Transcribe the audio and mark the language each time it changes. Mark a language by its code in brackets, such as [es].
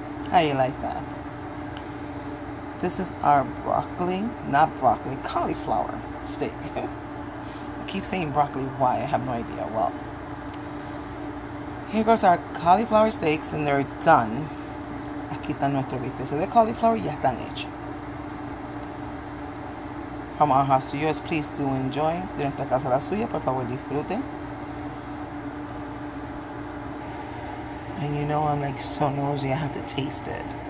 [en] How you like that? This is our broccoli, not broccoli, cauliflower steak. I keep saying broccoli, why? I have no idea. Well, here goes our cauliflower steaks and they're done. [es] Aquí están nuestros bistecs de cauliflower, ya están hechos. [en] From our house to yours, please do enjoy. [es] De nuestra casa a la suya, por favor disfrute. [en] And you know I'm like so nosy, I have to taste it.